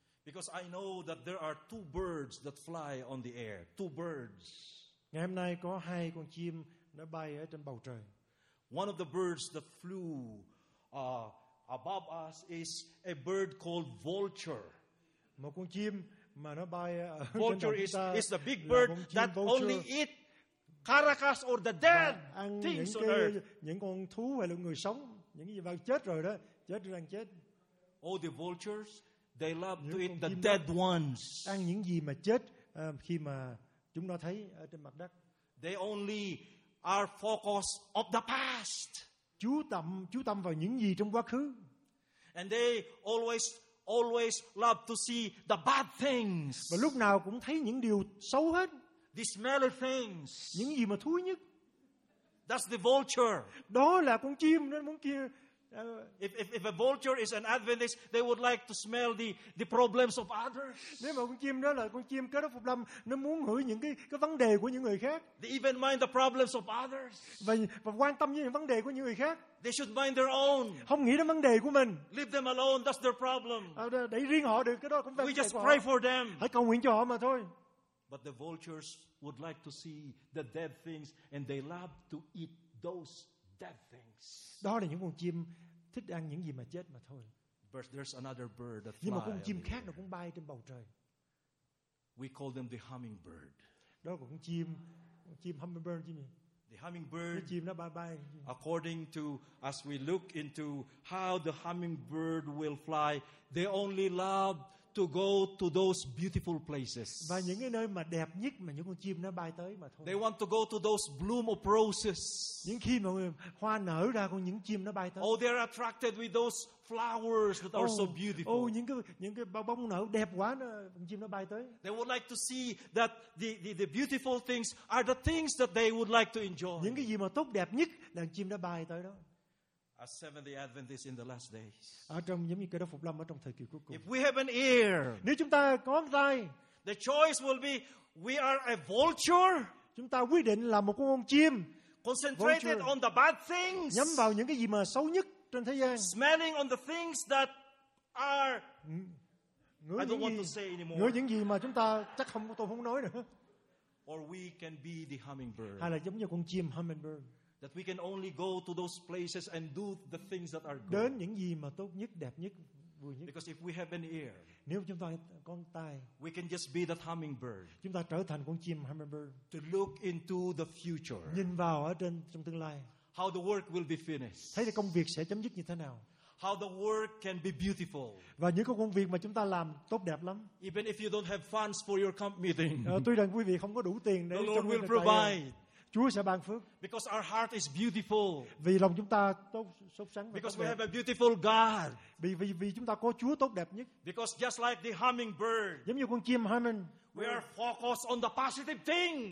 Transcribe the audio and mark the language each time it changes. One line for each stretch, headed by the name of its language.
English: Because I know that there are two birds that fly on the air. Two birds.
Vietnamese: Ngày hôm nay có hai con chim nó bay ở trên bầu trời.
English: One of the birds that flew above us is a bird called vulture.
Vietnamese: Một con chim mà nó bay ở
English: vulture
Vietnamese: trên bầu trời
English: is the big bird that vulture. Only eat carcass or the dead things on earth.
Vietnamese: Những con thú hay là người sống. Những gì mà chết rồi đó, chết đang chết.
English: All the vultures, they love to eat the dead ones.
Vietnamese: Ăn những gì mà chết khi mà chúng nó thấy ở trên mặt đất.
English: They only are focused of the past.
Vietnamese: Chú tâm vào những gì trong quá khứ.
English: And they always love to see the bad things.
Vietnamese: Và lúc nào cũng thấy những điều xấu hết.
English: The smelly things.
Vietnamese: Những gì mà thúi nhất.
English: That's the vulture.
Vietnamese: Đó là con chim nó muốn kia.
English: If a vulture is an Adventist, they would like to smell the problems of others.
Vietnamese: Nếu mà con chim đó là con chim Cơ Đốc Phục Lâm, nó muốn ngửi những cái vấn đề của những người khác.
English: They even mind the problems of others.
Vietnamese: Và quan tâm những vấn đề của những người khác.
English: They should mind their own.
Vietnamese: Không nghĩ đến vấn đề của mình.
English: Leave them alone. That's their problem.
Vietnamese: Để riêng họ được cái đó cũng vấn đề của họ.
English: We just pray for them.
Vietnamese: Hãy cầu nguyện cho họ mà thôi.
English: But the vultures would like to see the dead things and they love to eat those dead things.
Vietnamese: Đó là những con chim thích ăn những gì mà chết mà thôi.
English: But there's another bird that flies.
Vietnamese: Nhưng mà con chim khác nó cũng bay trên bầu trời.
English: We call them the hummingbird.
Vietnamese: Đó là con chim hummingbird chứ gì?
English: The hummingbird.
Vietnamese: Cái chim nó bay.
English: According to as we look into how the hummingbird will fly, they only love to go to those beautiful places.
Vietnamese: Và những cái nơi mà đẹp nhất mà những con chim nó bay tới mà thôi.
English: They want to go to those bloom of roses.
Vietnamese: Những khi mà hoa nở ra con những chim nó bay tới.
English: Oh, they are attracted with those flowers that are so beautiful.
Vietnamese: Oh, những cái bông nở đẹp quá nó con chim nó bay tới.
English: They would like to see that the beautiful things are the things that they would like to enjoy.
Vietnamese: Những cái gì mà tốt đẹp nhất là chim nó bay tới đó.
English: As Seventh-day Adventists in the last days.
Vietnamese: Ở trong giống như Cơ Đốc Phục Lâm ở trong thời kỳ cuối cùng.
English: If we have an ear,
Vietnamese: nếu chúng ta có tai,
English: the choice will be we are a vulture.
Vietnamese: Chúng ta quyết định là một con chim.
English: Concentrated vulture, on the bad things.
Vietnamese: Nhắm vào những cái gì mà xấu nhất trên thế gian.
English: Smelling on the things that are.
Vietnamese: Ngửi
English: I don't want to say anymore.
Vietnamese: Ngửi những gì mà chúng ta chắc không tôi không nói nữa.
English: Or we can be the hummingbird.
Vietnamese: Hay là giống như con chim hummingbird.
English: That we can only go to those places and do the things that are good.
Vietnamese: Đến những gì mà tốt nhất, đẹp nhất, vui nhất.
English: Because if we have an ear,
Vietnamese: nếu chúng ta có tai,
English: we can just be that hummingbird.
Vietnamese: Chúng ta trở thành con chim hummingbird.
English: To look into the future.
Vietnamese: Nhìn vào ở trên trong tương lai.
English: How the work will be finished.
Vietnamese: Thấy là công việc sẽ chấm dứt như thế nào.
English: How the work can be beautiful.
Vietnamese: Và những cái công việc mà chúng ta làm tốt đẹp lắm.
English: Even if you don't have funds for your camp meeting.
Vietnamese: Tuy rằng quý vị không có đủ tiền để cho mình provide. Chúa sẽ ban phước.
English: Because our heart is beautiful.
Vietnamese: Vì lòng chúng ta tốt sốt sắng.
English: Because we have a beautiful God.
Vietnamese: Vì chúng ta có Chúa tốt đẹp nhất.
English: Because just like the hummingbird.
Vietnamese: Giống như con chim humming.
English: We are focused on the positive things.